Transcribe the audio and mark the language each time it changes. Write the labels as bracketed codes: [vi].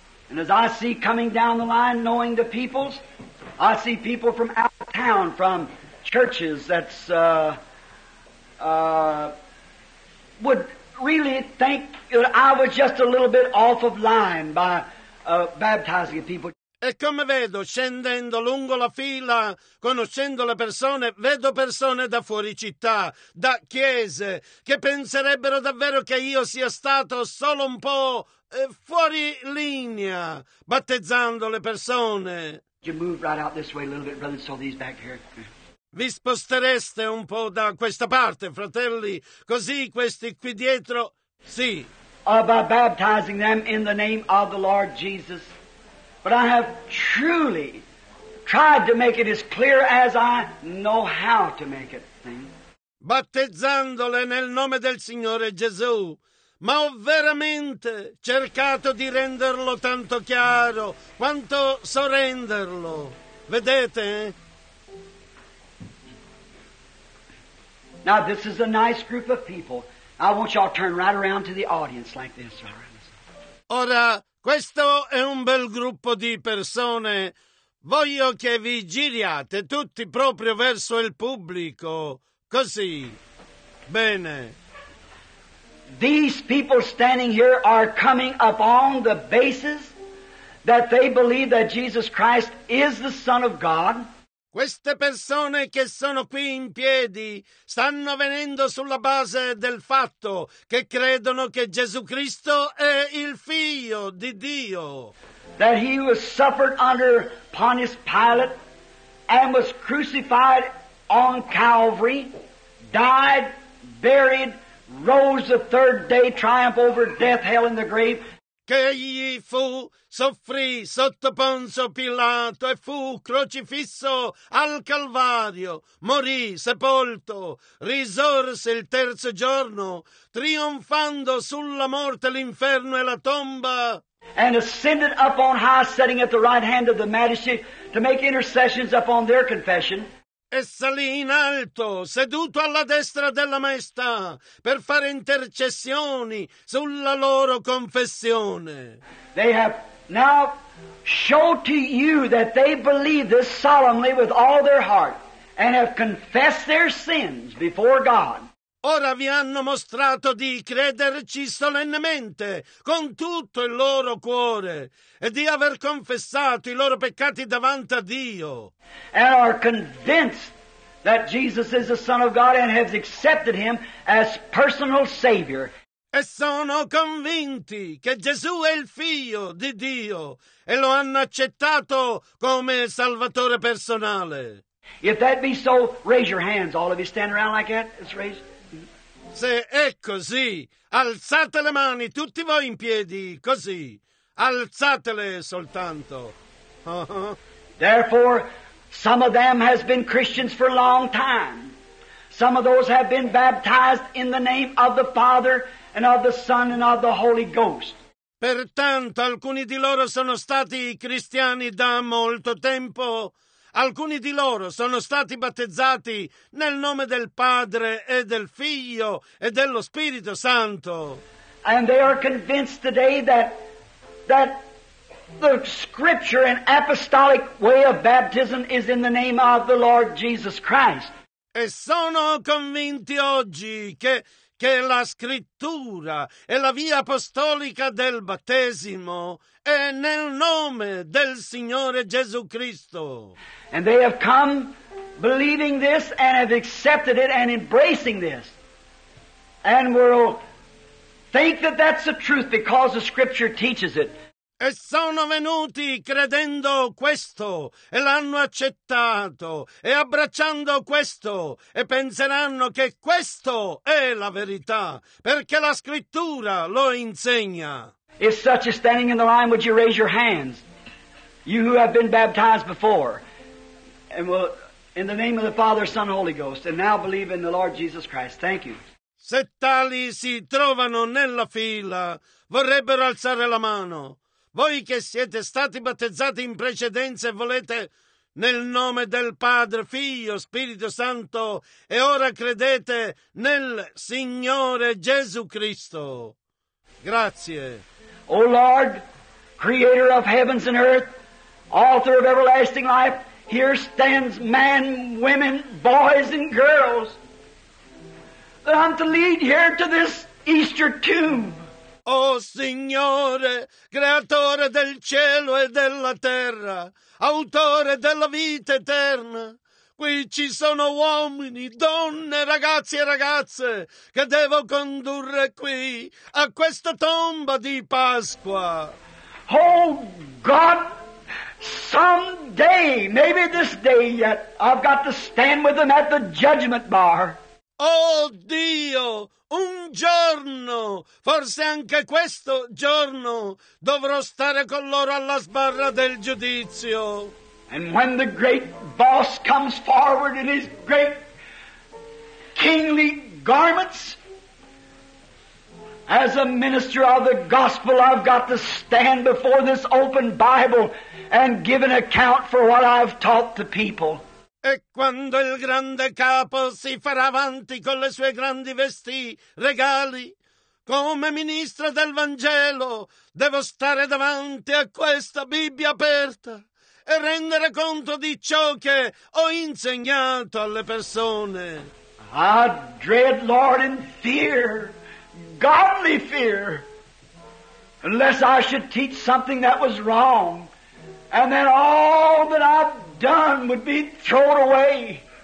[en] And as I see coming down the line, knowing the peoples, I see people from out of town, from churches that's would really think that I was just a little bit off of line by baptizing people. [it] E come vedo, scendendo lungo la fila, conoscendo le persone, vedo persone da fuori città, da chiese, che penserebbero davvero che io sia stato solo un po' fuori linea, battezzando le persone. [en] You move right out this way a little bit, brother, so these back here. [it] Vi spostereste un po' da questa parte, fratelli, così questi qui dietro, sì. [en] By baptizing them in the name of the Lord Jesus. But I have truly tried to make it as clear as I know how to make it. [it] Battezzandole nel nome del Signore Gesù, ma ho veramente cercato di renderlo tanto chiaro quanto so renderlo. Vedete? [en] Now this is a nice group of people. I want y'all to turn right around to the audience like this. [it] Ora, questo è un bel gruppo di persone. Voglio che vi giriate tutti proprio verso il pubblico. Così. Bene. [en] These people standing here are coming upon the basis that they believe that Jesus Christ is the Son of God. [it] Queste persone che sono qui in piedi stanno venendo sulla base del fatto che credono che Gesù Cristo è il Figlio di Dio. [en] That he was suffered under Pontius Pilate and was crucified on Calvary, died, buried, rose the third day, triumph over death, hell and the grave. [it] Che egli fu, soffrì sotto Ponzio Pilato e fu crocifisso al Calvario, morì, sepolto, risorse il terzo giorno, trionfando sulla morte, l'inferno e la tomba. [en] And ascended up on high, sitting at the right hand of the Majesty, to make intercessions upon their confession. [it] E salì in alto, seduto alla destra della Maestà, per fare intercessioni sulla loro confessione. [en] They have now showed to you that they believe this solemnly with all their heart, and have confessed their sins before God. [it] Ora vi hanno mostrato di crederci solennemente con tutto il loro cuore e di aver confessato i loro peccati davanti a Dio. [en] And are convinced that Jesus is the Son of God and have accepted him as personal Savior. [it] E sono convinti che Gesù è il Figlio di Dio e lo hanno accettato come Salvatore personale. [en] If that be so, raise your hands, all of you stand around like that. Let's raise. [it] Se è così, alzate le mani, tutti voi in piedi, così. Alzatele soltanto. [en] Therefore, some of them has been Christians for a long time. Some of those have been baptized in the name of the Father and of the Son and of the Holy Ghost. [it] Pertanto, alcuni di loro sono stati cristiani da molto tempo. Alcuni di loro sono stati battezzati nel nome del Padre e del Figlio e dello Spirito Santo. [en] And they are convinced today that the scripture and apostolic way of baptism is in the name of the Lord Jesus Christ. [it] E sono convinti oggi che la scrittura e la via apostolica del battesimo è nel nome del Signore Gesù Cristo. [en] And they have come believing this and have accepted it and embracing this. And will think that that's the truth because the scripture teaches it. [it] E sono venuti credendo questo e l'hanno accettato e abbracciando questo e penseranno che questo è la verità perché la scrittura lo insegna. [en] If such is standing in the line, would you raise your hands? You who have been baptized before. And will, in the name of the Father, Son, Holy Ghost, and now believe in the Lord Jesus Christ. Thank you. [it] Se tali si trovano nella fila, vorrebbero alzare la mano. Voi che siete stati battezzati in precedenza e volete nel nome del Padre, Figlio, Spirito Santo, e ora credete nel Signore Gesù Cristo. Grazie. [en] O Lord, Creator of heavens and earth, Author of everlasting life, here stands men, women, boys and girls that I'm to lead here to this Easter tomb. [it] Oh Signore, Creatore del cielo e della terra, Autore della vita eterna, qui ci sono uomini, donne, ragazzi e ragazze che devo condurre qui a questa tomba di Pasqua. [en] Oh God, someday, maybe this day yet, I've got to stand with them at the judgment bar. [it] Oh Dio, un giorno, forse anche questo giorno, dovrò stare con loro alla sbarra del giudizio. [en] And when the great boss comes forward in his great kingly garments, as a minister of the gospel, I've got to stand before this open Bible and give an account for what I've taught the people. [it] E quando il grande capo si farà avanti con le sue grandi vesti regali, come ministro del Vangelo, devo stare davanti a questa Bibbia aperta e rendere conto di ciò che ho insegnato alle persone. [en] I dread, Lord, in fear, godly fear, unless I should teach something that was wrong, and then all that I've done would be thrown away.